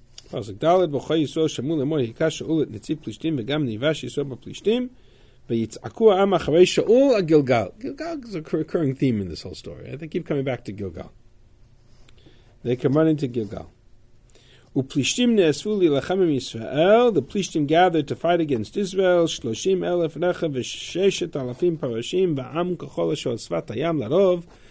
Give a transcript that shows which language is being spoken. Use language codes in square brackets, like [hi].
[he] פסוק ד' בוכה ישראל שמעו לאמור היכה שאול את נציב פלישתים וגם נבש ישראל בפלישתים ויצעקו העם אחרי שאול הגלגל. [en] גלגל is a recurring theme in this whole story. They keep coming back to גלגל. They come running to גלגל. [he] ופלישתים נאספו להילחם עם ישראל. [en] The פלישתים gathered to fight against Israel. [he] 30,000 רכב ו6,000 פרשים ועם ככל אשר על שפת הים לרוב.